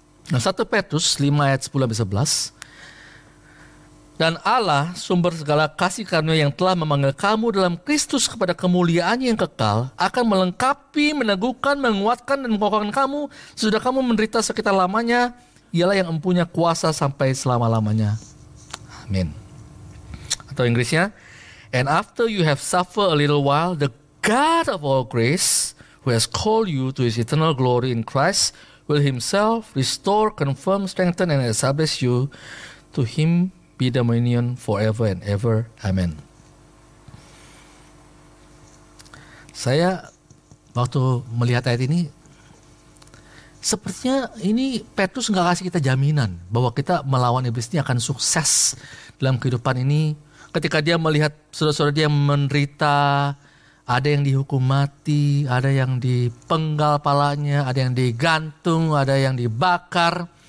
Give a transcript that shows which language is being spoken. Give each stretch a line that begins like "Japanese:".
Indonesian: Nah, 1 Petrus 5 ayat 10-11. Dan Allah, sumber segala kasih karunia yang telah memanggil kamu dalam Kristus kepada kemuliaannya yang kekal, akan melengkapi, meneguhkan, menguatkan, dan mengokohkan kamu sesudah kamu menderita sekitar lamanya. Ialah yang empunya kuasa sampai selama-lamanya. Amin. Atau Inggrisnya,
English: and after you have suffered a little while, the God of all grace, who has called you to his eternal glory in Christ, will himself restore, confirm, strengthen, and establish you. To him be dominion forever and ever. Amen.
Indonesian: Saya waktu melihat ayat ini, sepertinya ini Petrus gak kasih kita jaminan bahwa kita melawan iblis ini akan sukses dalam kehidupan ini. Ketika dia melihat saudara-saudara dia menderita, ada yang dihukum mati, ada yang dipenggal palanya, ada yang digantung, ada yang dibakar.